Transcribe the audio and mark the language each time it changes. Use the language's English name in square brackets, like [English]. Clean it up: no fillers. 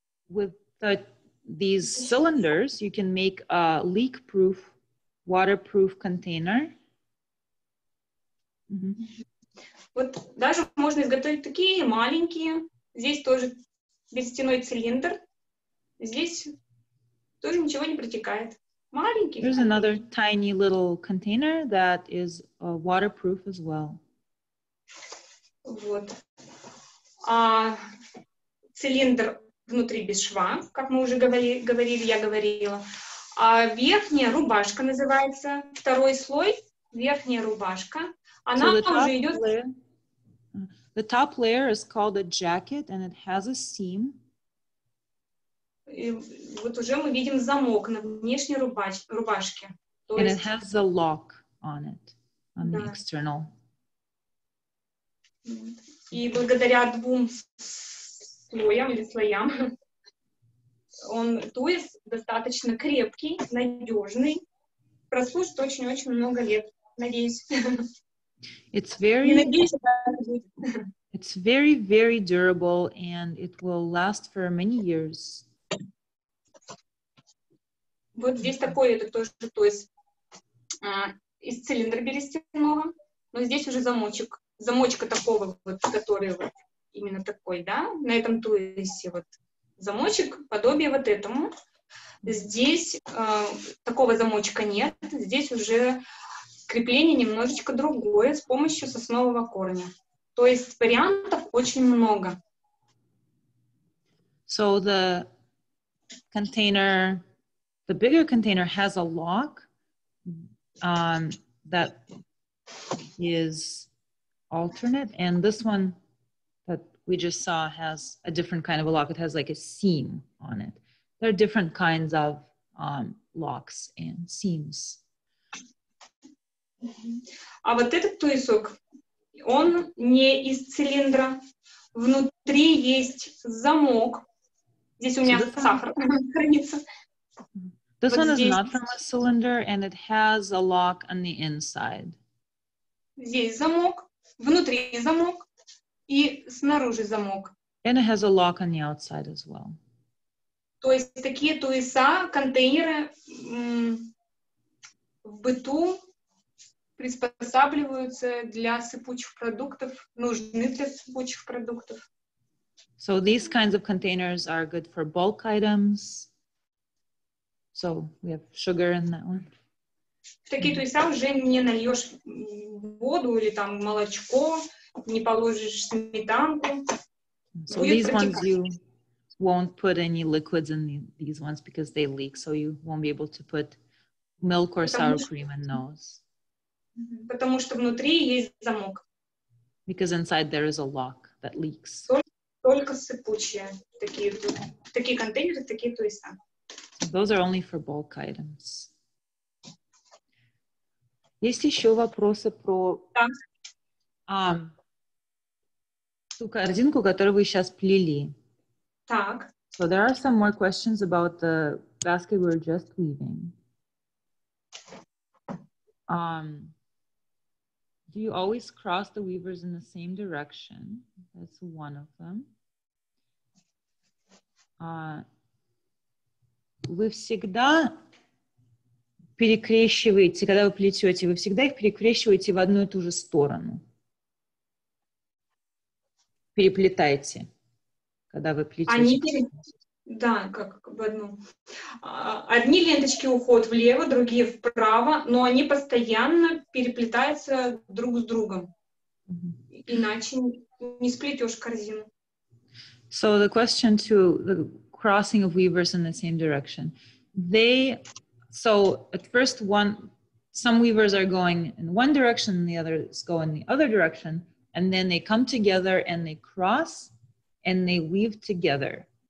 [English] With these cylinders, you can make a leak-proof, waterproof container. Mm-hmm. [Russian] Вот даже можно изготовить такие маленькие. Здесь тоже берестяной цилиндр. Здесь тоже ничего не протекает. Маленький. [English] There's another tiny little container that is waterproof as well. [Russian] Вот. А цилиндр внутри без шва, как мы уже говорили, я говорила. А верхняя рубашка называется, второй слой, верхняя рубашка. Она уже идет... [English] The top layer is called a jacket, and it has a seam. [Russian] И вот уже мы видим замок на внешней рубашке. [English] And it has a lock on it, on the external. [Russian] И благодаря двум слоям или слоям, он, то есть, достаточно крепкий, надежный, прослужит очень-очень много лет, надеюсь. [English] It's very, very durable, and it will last for many years. [Russian] Вот здесь такой, это тоже, то есть, из цилиндра берестяного, но здесь уже замочек. Замочка такого вот, который вот именно такой, да, на этом туэсе вот замочек, подобие вот этому. Здесь такого замочка нет, здесь уже крепление немножечко другое с помощью соснового корня. То есть вариантов очень много. [English] So the container, the bigger container has a lock that is... alternate, and this one that we just saw has a different kind of a lock. It has like a seam on it. There are different kinds of locks and seams. [Russian] А вот этот туесок, он не из цилиндра. Внутри есть замок. Здесь у меня сахар хранится. [English] This one is not from a cylinder, and it has a lock on the inside. [Russian] Здесь замок. Внутри замок и снаружи замок. [English] And it has a lock on the outside as well. [Russian] То есть такие туеса, контейнеры в быту приспосабливаются для сыпучих продуктов, нужны для сыпучих продуктов. [English] So these kinds of containers are good for bulk items. So we have sugar in that one. [Russian] В такие туиса уже не нальешь воду или там молочко, не положишь сметанку. [English] So these ones you won't put any liquids in these ones because they leak, so you won't be able to put milk or sour cream in those. [Russian] Потому что внутри есть замок. [English] Because inside there is a lock that leaks. [Russian] Только сыпучие. Такие контейнеры, такие туиса. [English] Those are only for bulk items. [Russian] Есть еще вопросы про ту корзинку, которую вы сейчас плели. Так. [English] So there are some more questions about the basket we were just weaving. Do you always cross the weavers in the same direction? That's one of them. [Russian] Вы всегда перекрещиваете, когда вы плетете, вы всегда их перекрещиваете в одну и ту же сторону. Переплетаете, когда вы плетете. Они да, как в одну. Одни ленточки уходят влево, другие вправо, но они постоянно переплетаются друг с другом. Mm-hmm. Иначе не сплетешь корзину. [English] So the question to the crossing of weavers in the same direction. So at first some weavers are going in one direction and the others go in the other direction, and then they come together and they cross and they weave together.